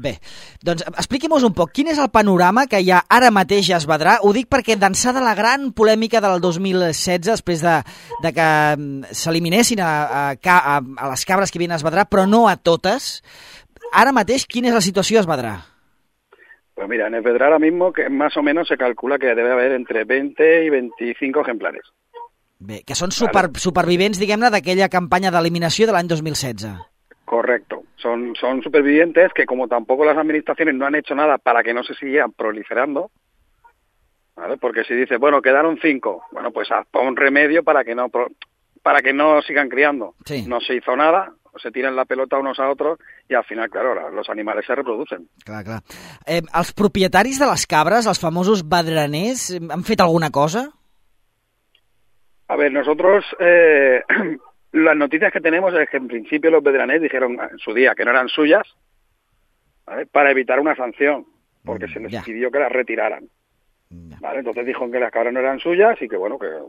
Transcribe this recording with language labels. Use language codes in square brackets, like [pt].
[ca] Bé, doncs expliqui'm-nos un poc, quin és el panorama que hi ha ara mateix a Esvedrà? Ho dic perquè d'ençà de la gran polèmica del 2016, després de que s'eliminessin a les cabres que vien a Esvedrà, però no a totes, ara mateix, quina és la situació a Esvedrà? [es] Pues mira, en Esvedrà ara mismo, que más o menos se calcula que debe haber entre 20 y 25 ejemplares. [ca] Bé, que són supervivents, diguem-ne, d'aquella campanya d'eliminació de l'any 2016. [es] Correcto. Son supervivientes que, como tampoco las administraciones no han hecho nada para que no se siguieran proliferando, ¿vale? Porque si dices, bueno, quedaron 5, bueno, pues pon remedio para que no sigan criando. Sí. No se hizo nada, se tiran la pelota unos a otros y al final, claro, los animales se reproducen. [ca] Clar, clar. Els propietaris de les cabres, els famosos badraners, ¿han fet alguna cosa? [es] A ver, nosotros... Las noticias que tenemos es que en principio los bedranés dijeron en su día que no eran suyas, ¿vale? Para evitar una sanción, porque se les pidió que las retiraran. ¿Vale? Entonces dijo que las cabras no eran suyas y que bueno, que...